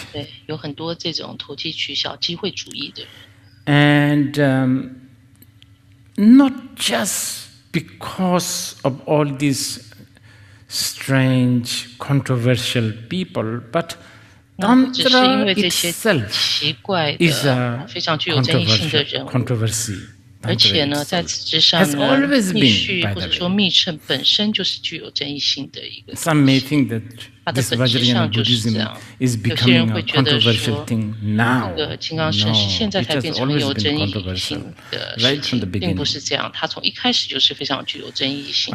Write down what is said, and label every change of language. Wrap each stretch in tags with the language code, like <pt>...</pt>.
<zh>对，有很多这种投机取巧、机会主义的。</zh> <en>And not just because of all these strange, controversial people, but Tantra itself is a controversy.</en> <zh>而且呢，在此之上呢，</zh> <en>has always been,</en> <zh>密续或者说密乘本身就是具有争议性的一个。</zh> <en>Some may think that this Vajrayana Buddhism is becoming a controversial thing now. No, it has always been controversial, right from the beginning.</en> <zh>并不是这样，它从一开始就是非常具有争议性。</zh>